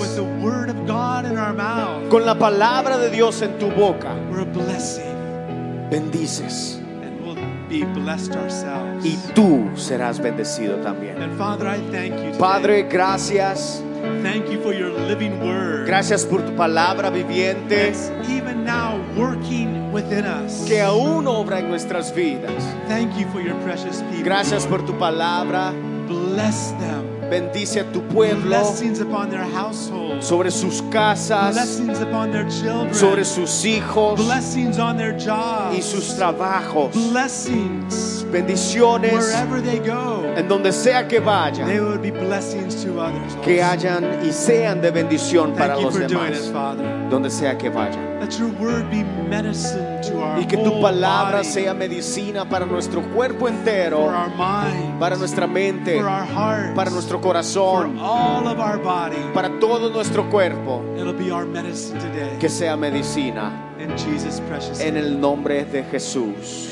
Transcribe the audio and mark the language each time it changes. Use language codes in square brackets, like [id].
[en] with the word of God in our mouth, [es] con la palabra de Dios en tu boca, [en] we're a blessing. [es] Bendices. [en] And we'll be blessed ourselves. [es] Y tú serás bendecido también. [en] And Father, I thank you today. [es] Padre, gracias. [en] Thank you for your living word. [es] Gracias por tu palabra viviente. [en] It's even now working within us. [es] Que aún obra en nuestras vidas. [en] Thank you for your precious people. [es] Gracias por tu palabra. [en] Bless them. [es] Bendice a tu pueblo. [en] Blessings upon their households. [es] Sobre sus casas. [en] Blessings upon their children. [es] Sobre sus hijos. [en] Blessings on their jobs. [es] Y sus trabajos. [en] Blessings. [es] Bendiciones. [en] Wherever they go. [es] En donde sea que vayan. [en] They will be blessings to others. [es] Que hayan y sean de bendición para los demás. [en] Thank you for doing it, Father. [es] Donde sea que vayan. [en] Let your word be medicine to our whole [es] body. Y que tu palabra sea medicina para nuestro cuerpo entero. [en] For our minds. [es] Para nuestra mente. [en] For our hearts. [es] Para nuestro corazón. [en] For all of our body. [es] Para todo nuestro cuerpo. [en] It'll be our medicine today. [es] Que sea medicina. [en] In Jesus' precious [es] name. En el nombre de Jesús.